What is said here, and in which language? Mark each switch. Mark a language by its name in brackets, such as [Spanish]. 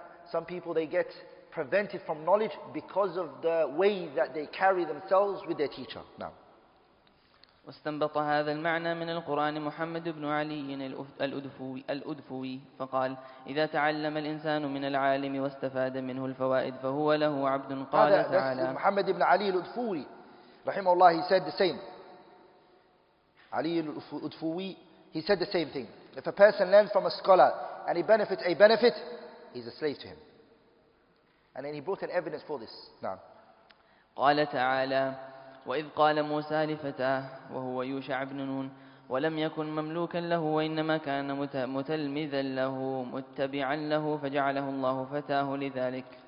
[English] Some people, they get prevented from knowledge because of the way that they carry themselves with their teacher. Now, [Arabic] واستنبط هذا المعنى من القرآن محمد بن علي الأدفوي فقال إذا تعلم الإنسان من العالم واستفاد منه الفوائد فهو له عبد قال تعالى محمد بن علي الأدفوي رحمه الله [English] he said the same. علي الأدفوي he said the same thing. If a person learns from a scholar and he benefits a benefit, he's a slave to him. And then he brought an evidence for this. Now. [Arabic] قال تعالى وإذ قال موسى لفتاه وهو يوشع بن نون ولم يكن مملوكا له وإنما كان متلمذا له متبعا له فجعله الله فتاه لذلك.